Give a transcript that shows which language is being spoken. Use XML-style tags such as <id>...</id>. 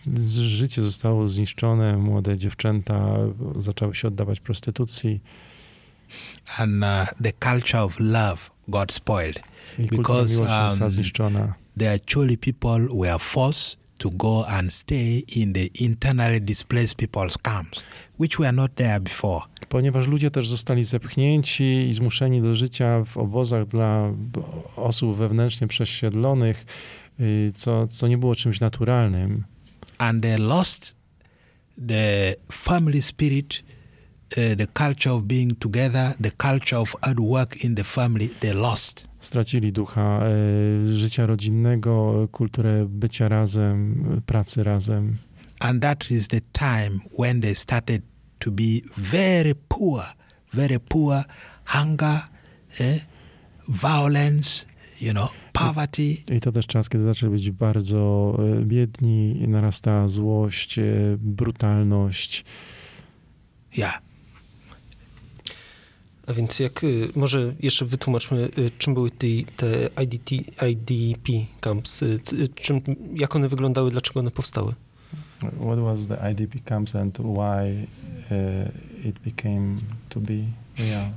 <pl>Życie zostało zniszczone, młode dziewczęta zaczęły się oddawać prostytucji.</pl> <en>And the culture of love got spoiled. Because the Acholi people were forced to go and stay in the internally displaced people's camps, which were not there before.</en> <pl>Ponieważ ludzie też zostali zepchnięci i zmuszeni do życia w obozach dla osób wewnętrznie przesiedlonych, co nie było czymś naturalnym.</pl> <en>And they lost the family spirit, the culture of being together, the culture of hard work in the family, they lost.</en> <pl>Stracili ducha życia rodzinnego, kulturę bycia razem, pracy razem.</pl> <en>And that is the time when they started to be very poor, hunger, violence, you know, poverty.</en> <pl>I to też czas, kiedy zaczęli być bardzo biedni, narasta złość, brutalność.</pl> <en>Yeah.</en> <pl>A więc jak, może jeszcze wytłumaczmy, czym były te IDP camps, jak one wyglądały, dlaczego one powstały?</pl> <en>What was the IDP camps and why it became to be real?</en>